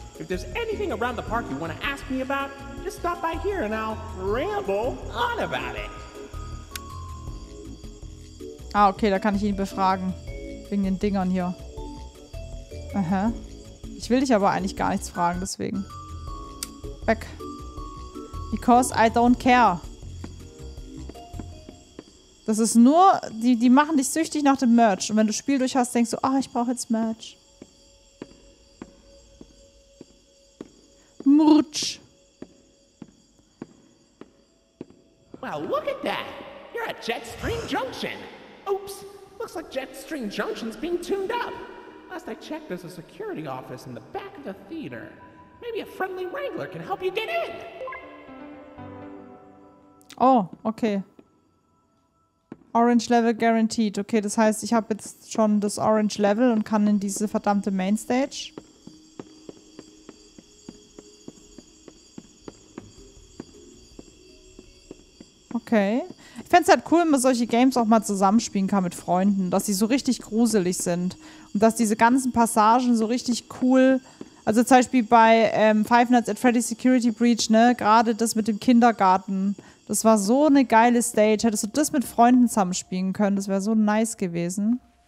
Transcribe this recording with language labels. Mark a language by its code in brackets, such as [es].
[en] If there's anything around the park you want to ask me about, just stop by here and I'll ramble on about it. [de] Ah, okay, da kann ich ihn befragen. Wegen den Dingern hier. Aha. Ich will dich aber eigentlich gar nichts fragen, deswegen. Weg. [en] Because I don't care. [de] Das ist nur, die machen dich süchtig nach dem Merch. Und wenn du Spiel durch hast, denkst du, ah, oh, ich brauche jetzt Merch. Merch. [en] Well, look at that. You're at Jetstream Junction. Oops, looks like Jetstream Junction's being tuned up. Last I checked, there's a security office in the back of the theater. Maybe a friendly Wrangler can help you get in. Oh, okay. Orange Level guaranteed. [de] Okay, das heißt, ich habe jetzt schon das Orange Level und kann in diese verdammte Mainstage. Okay. Ich fände es halt cool, wenn man solche Games auch mal zusammenspielen kann mit Freunden, dass sie so richtig gruselig sind und dass diese ganzen Passagen so richtig cool, also zum Beispiel bei Five Nights at Freddy's Security Breach, ne, gerade das mit dem Kindergarten, das war so eine geile Stage, hättest du das mit Freunden zusammenspielen können, das wäre so nice gewesen.